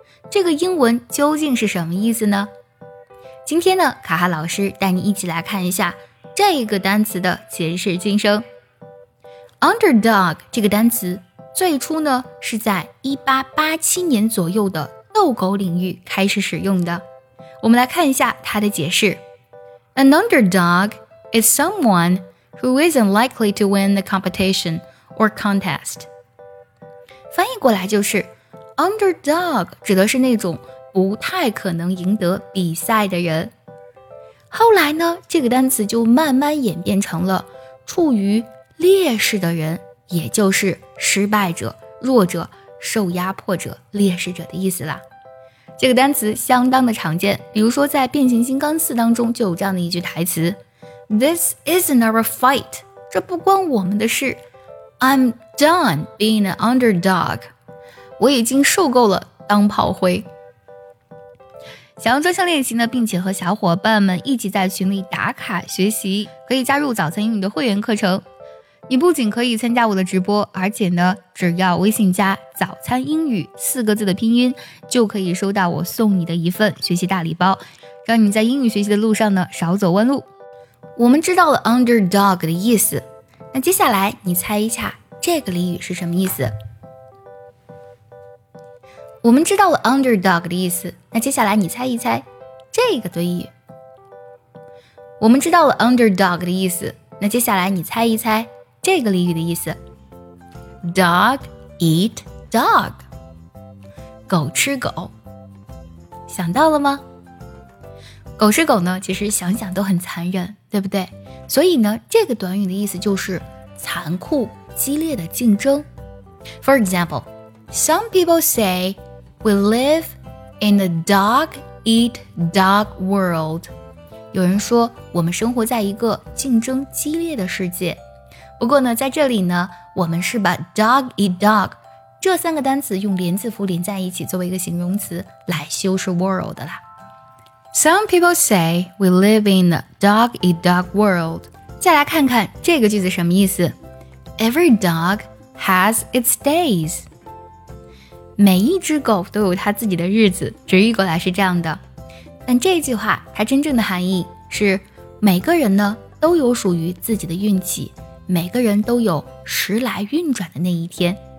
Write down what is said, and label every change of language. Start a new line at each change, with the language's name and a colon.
Chinese: 这个英文究竟是什么意思呢？今天呢，卡哈老师带你一起来看一下这个单词的前世今生。 Underdog 这个单词最初呢是在1887年左右的斗狗领域开始使用的。我们来看一下它的解释。
English: An underdog is someone who isn't likely to win the competition or contest.
Chinese: 翻译过来就是 Underdog 指的是那种不太可能赢得比赛的人。后来呢，这个单词就慢慢演变成了处于劣势的人，也就是失败者、弱者、受压迫者、劣势者的意思啦。这个单词相当的常见，比如说在变形金刚4当中就有这样的一句台词， This isn't our fight，这不关我们的事。
English: I'm done being an underdog，我已经受够了当炮灰。
Chinese: 想要专项练习呢，并且和小伙伴们一起在群里打卡学习，可以加入早餐英语的会员课程。你不仅可以参加我的直播，而且呢，只要微信加早餐英语四个字的拼音，就可以收到我送你的一份学习大礼包，让你在英语学习的路上呢少走弯路。我们知道了 underdog 的意思，那接下来你猜一下这个俚语是什么意思。我们知道了 underdog 的意思，那接下来你猜一猜这个俚语。我们知道了 underdog 的意思，那接下来你猜一猜这个俚语的意思。 Dog eat dog，狗吃狗，想到了吗？狗吃狗呢，其实想想都很残忍，对不对？所以呢，这个短语的意思就是残酷激烈的竞争。
English: For example， Some people say we live in a dog eat dog world，有人说我们生活在一个竞争激烈的世界。
Chinese: 不过呢，在这里呢，我们是把 dog eat dog 这三个单词用连字符连在一起作为一个形容词来修饰 world 啦。
English: Some people say we live in a dog eat dog world。
Chinese: 再来看看这个句子什么意思。 Every dog has its days，每一只狗都有它自己的日子，直译过来是这样的。但这句话它真正的含义是每个人呢都有属于自己的运气，每个人都有时来运转的那一天。